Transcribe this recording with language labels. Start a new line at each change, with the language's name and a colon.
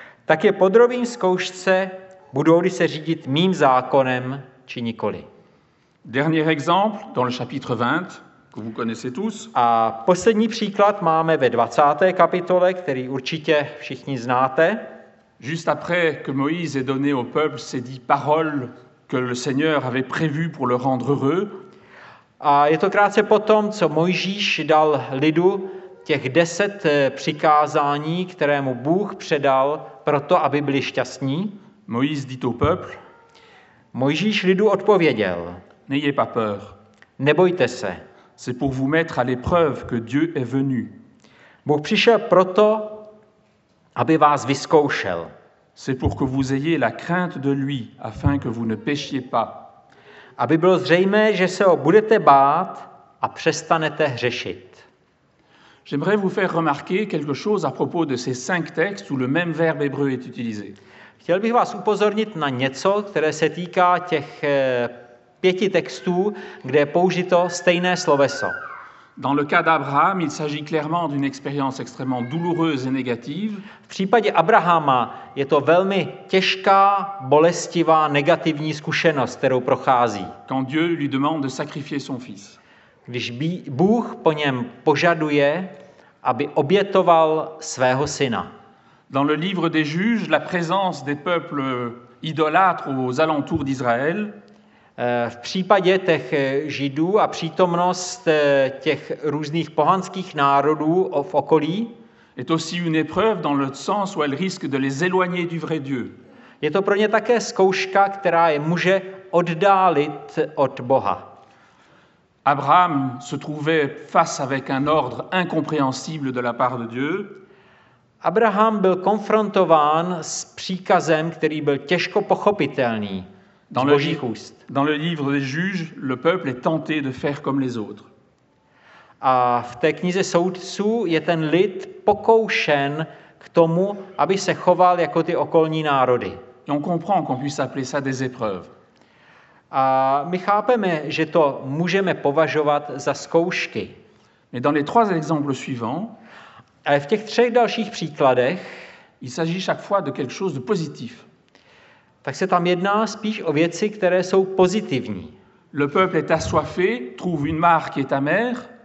Czech: Tak je podrobím zkoušce, budou-li se řídit mým zákonem, či nikoli.
French: Dernier exemple, dans le chapitre 20, que vous connaissez tous.
Czech: A poslední příklad máme ve 20. kapitole, který určitě všichni znáte.
French: Juste après que Moïse ait donné au peuple ses 10 paroles que le Seigneur avait prévues pour le rendre heureux.
Czech: A je to krátce potom, co Mojžíš dal lidu těch 10 přikázání, které mu Bůh předal, proto aby byli šťastní.
French: Moïse dit au peuple.
Czech: Mojžíš lidu odpověděl.
French: N'ayez pas peur.
Czech: Nebojte se.
French: C'est pour vous mettre à l'épreuve que Dieu est venu.
Czech: Bůh přišel proto, aby vás vyzkoušel.
French: C'est pour que vous ayez la crainte de lui, afin que vous ne péchiez pas.
Czech: Aby bylo zřejmé, že se ho budete bát a přestanete hřešit.
French: J'aimerais vous faire remarquer quelque chose à propos de ces 5 textes où le même verbe hébreu est utilisé.
Czech: Chtěl bych vás upozornit na něco, které se týká těch 5 textů, kde je použito stejné sloveso.
French: Dans le cas d'Abraham, il s'agit clairement d'une expérience extrêmement douloureuse et négative.
Czech: V případě Abrahama je to velmi těžká, bolestivá, negativní zkušenost, kterou prochází.
French: Quand Dieu lui demande de sacrifier son fils.
Czech: Když Bůh po něm požaduje, aby obětoval svého syna.
French: Dans le livre des juges, la présence des peuples idolâtres aux alentours d'Israël.
Czech: V případě těch židů a přítomnost těch různých pohanských národů v okolí.
French: Est aussi une épreuve dans le sens où elle risque de les éloigner du vrai Dieu.
Czech: Je to pro ně také zkouška, která je může oddálit od Boha.
French: Abraham se trouvait face avec un ordre incompréhensible de la part de Dieu.
Czech: Abraham byl konfrontován s příkazem, který byl těžko pochopitelný.
French: Dans le livre des juges, le peuple est tenté de faire comme les autres.
Czech: A v té knize soudců je ten lid pokoušen k tomu, aby se choval jako ty okolní národy.
French: Et on comprend qu'on puisse appeler ça des épreuves.
Czech: A my chápeme, že to můžeme považovat za zkoušky.
French: Mais dans les trois exemples suivants,
Czech: ale v těch třech dalších příkladech,
French: il s'agit chaque fois de quelque chose de positif.
Czech: Tak se tam jedná spíš o věci, které jsou pozitivní.
French: Le peuple est assoiffé, trouve une mare qui est amère.